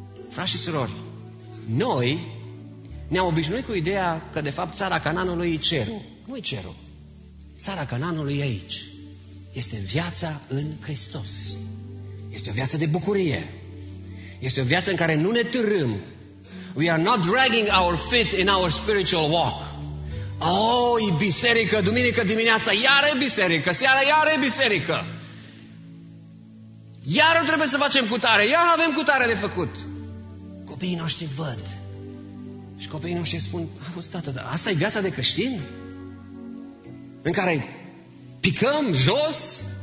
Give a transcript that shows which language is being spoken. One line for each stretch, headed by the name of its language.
Romanian: Frați și surori, noi ne-am obișnuit cu ideea că de fapt țara Canaanului e cerul. Nu-i cerul. Țara Canaanului e aici. Este viața în Hristos. Este o viață de bucurie. Este o viață în care nu ne târâm.
English: We are not dragging our feet in our spiritual walk.
Romanian: Oh, e biserică, duminică dimineața, iar e biserică, seara, iar e biserică. Iar trebuie să facem cutare, iar avem cutare de făcut. Copiii noștri văd. Și copiii noștri spun, a fost tată, dar asta e viața de creștin? În care picăm jos?